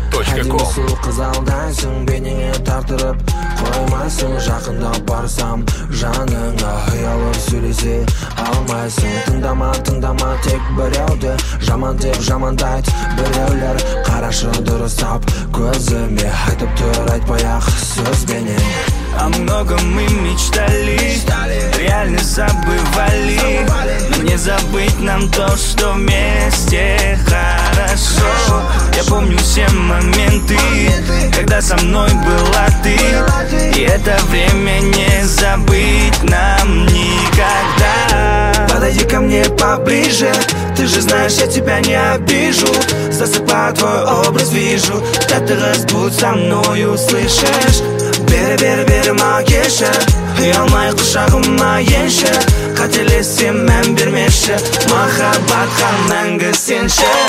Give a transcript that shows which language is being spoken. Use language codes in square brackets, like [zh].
[kk] Әдемі сұлу қыз алдайсың, бенеңе тартырып қоймайсың. Жақында барсам жаныңа, ұялып сөйлесе алмайсың. Тыңдама, тыңдама тек біреуді, жаман деп жамандайды біреулер. Қарашы дұрыстап көзіме, айтып тұр айтпай-ақ сөзбенен. [ru] О многом мы мечтали, реально забывали. Но не забыть нам то, что вместе хорошо. Я помню все моменты, когда со мной была ты. И это время не забыть нам никогда. Подойди ко мне поближе, ты же знаешь, я тебя не обижу. Засыпаю, твой образ вижу, да ты разбудь со мною, слышишь? [kk] Бер-бер-бер макеші, ұялмай құшағыма енші. Қателесем мән бермеші, махаббатқа мәңгі сенші.